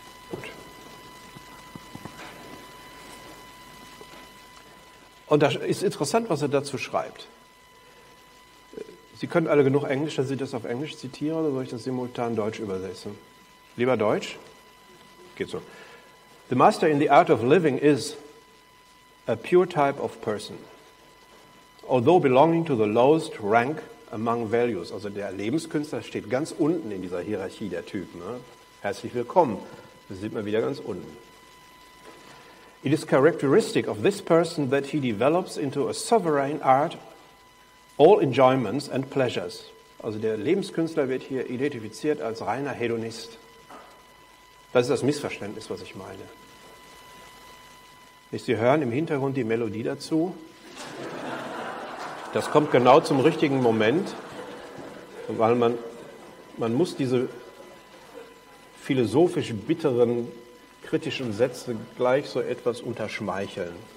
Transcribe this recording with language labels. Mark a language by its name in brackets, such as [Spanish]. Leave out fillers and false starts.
[German] Gut. Und da ist interessant, was er dazu schreibt. Sie können alle genug Englisch, dass Sie das auf Englisch zitieren, oder soll ich das simultan Deutsch übersetzen? Lieber Deutsch? Geht so. [English] The master in the art of living is a pure type of person. Although belonging to the lowest rank among values, [German] also der Lebenskünstler steht ganz unten in dieser Hierarchie der Typen. Ne? Herzlich willkommen, das sieht man wieder ganz unten. [English] It is characteristic of this person that he develops into a sovereign art all enjoyments and pleasures. [German] Also der Lebenskünstler wird hier identifiziert als reiner Hedonist. Das ist das Missverständnis, was ich meine. Sie hören im Hintergrund die Melodie dazu. Das kommt genau zum richtigen Moment, weil man muss diese philosophisch bitteren, kritischen Sätze gleich so etwas unterschmeicheln.